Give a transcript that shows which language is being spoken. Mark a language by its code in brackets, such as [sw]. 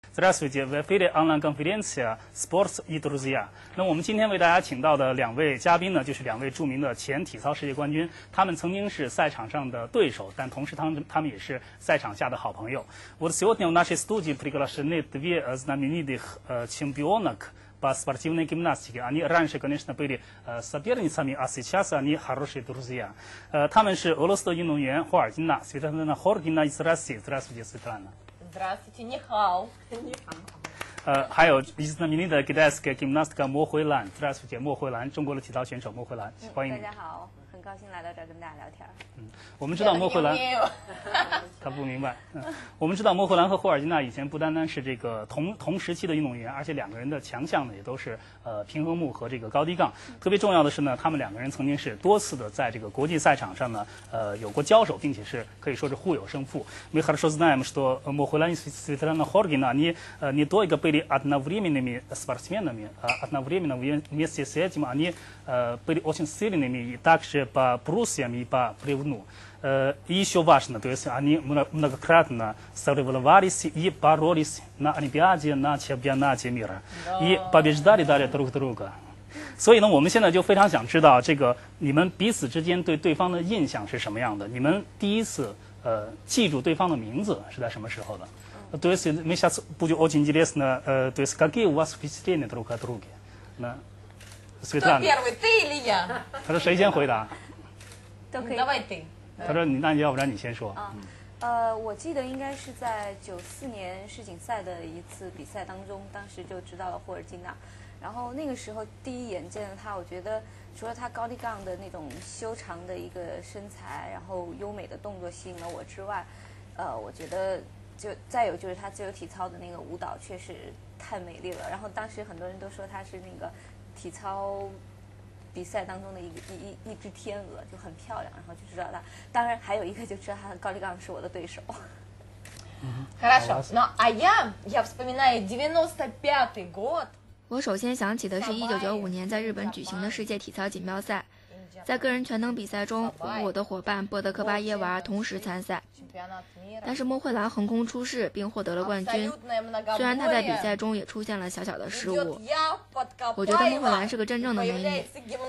[ru] Здравствуйте, в эфире онлайн-конференция «Спорт и друзья». [zh] 那我们今天为大家请到的两位嘉宾呢，就是两位著名的前体操世界冠军，他们曾经是赛场上的对手，但同时他们也是赛场下的好朋友。 [ru] Вот сегодня в нашей студии приглашены две знаменитых чемпионок по спортивной гимнастике. Они раньше, конечно, были соперницами, а сейчас они хорошие друзья. [zh] 他们是俄罗斯的运动员霍尔金娜、 [ru] Светлана Хоргина из России. Здравствуйте, Светлана. Здравствуйте, Нихао. Нихао. [zh] 还有 [ru] знаменитая китайская гимнастка Мо Хуйлан. Здравствуйте, Мо Хуйлан. [zh] 中国的体操选手 Мо Хуйлан. 欢迎你。大家好，很高兴来到这儿跟大家聊天。我们知道 Мо Хуйлан. 他不明白。我们知道 Мо Хуйлан 和霍尔金娜以前不单单是这个同时期的运动员，而且两个人的强项呢也都是平衡木和这个高低杠。特别重要的是呢，他们两个人曾经是多次的在这个国际赛场上呢有过交手，并且是可以说是互有胜负。 [ru] Мы хорошо знаем, что Мо Хуйлан и Светлана Хоргина, они не только были одновременными спортсменами, одновременно вместе с этим они были очень сильными и также по брусьям и по бревну. И еще важно, то есть они многократно соревновались и боролись на Олимпиаде, на чемпионате мира. И побеждали далее друг друга. [zh] 所以呢，我们现在就非常想知道这个你们彼此之间对对方的印象是什么样的。你们第一次记住对方的名字是在什么时候的？ [ru] То есть мы сейчас будем очень интересно, то есть какие у вас впечатления друг о друге? [zh] 那 [ru] Светлана, кто первый, ты или я? [zh] 他说谁先回答？都可以。 [ru] Давай ты. [zh] 他说你那你要不然你先说啊，我记得应该是在94年世锦赛的一次比赛当中，当时就知道了霍尔金娜，然后那个时候第一眼见了她，我觉得除了她高低杠的那种修长的一个身材，然后优美的动作吸引了我之外，我觉得就再有就是她自由体操的那个舞蹈确实太美丽了，然后当时很多人都说她是那个体操。比赛当中的一只天鹅就很漂亮，然后就知道他。当然还有一个就知道他的高低杠是我的对手。 [ru] Хорошо, но я вспоминаю 95-й год. [zh] 我首先想起的是1995年在日本举行的世界体操锦标赛，在个人全能比赛中，我的伙伴波德科巴耶娃同时参赛，但是莫慧兰横空出世并获得了冠军。虽然她在比赛中也出现了小小的失误，我觉得莫慧兰是个真正的美女。